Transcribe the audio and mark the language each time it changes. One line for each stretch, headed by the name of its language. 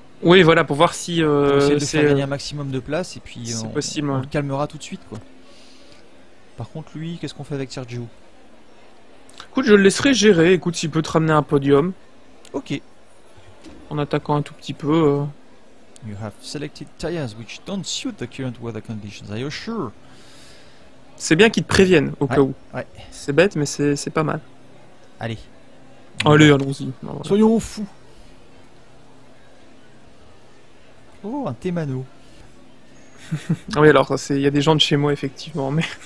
French: Oui, voilà, pour voir si Pour essayer de le faire gagner un maximum de place et puis c'est possible. on Ouais. le calmera tout de suite quoi. Par contre, lui, qu'est-ce qu'on fait avec Sergio? Écoute, je le laisserai gérer, écoute, s'il peut te ramener un podium. Ok. En attaquant un tout petit peu.
English: You have selected tires which don't suit the current weather conditions, I assure.
French: C'est bien qu'ils te préviennent, au cas ouais, où. Ouais. C'est bête, mais c'est pas mal. Allez. Allez, allons-y. Soyons fous. Oh, un Témano. Oui, alors, il y a des gens de chez moi, effectivement, mais...